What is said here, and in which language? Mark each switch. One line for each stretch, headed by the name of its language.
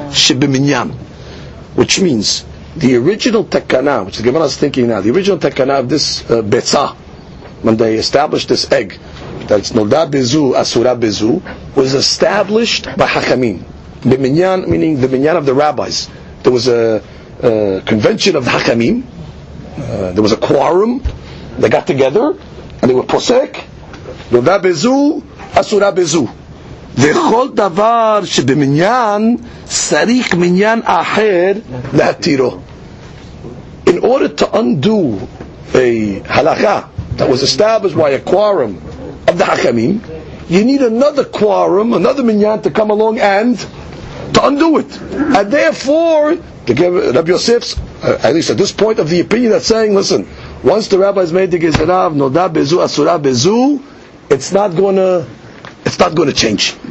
English: Which means the original takana, which the Gemara is thinking now, the original takana of this betza, when they established this egg, that's nolda bezu, asura bezu, was established by hachamim. Biminyan, meaning the minyan of the rabbis. There was a convention of hachamim, there was a quorum, they got together, and they were posek, nolda bezu, asura bezu.
Hebrew: וכל דבר שבמניין צריך מניין אחר להתירו.
English: In order to undo a halakha that was established by a quorum of the hachamim, you need another quorum, another minyan to come along and to undo it. And therefore, to give Rabbi Yosef's, at least at this point, of the opinion that's saying, listen, once the rabbis made the gezerav, noda bezu, asura bezu, it's not going to change.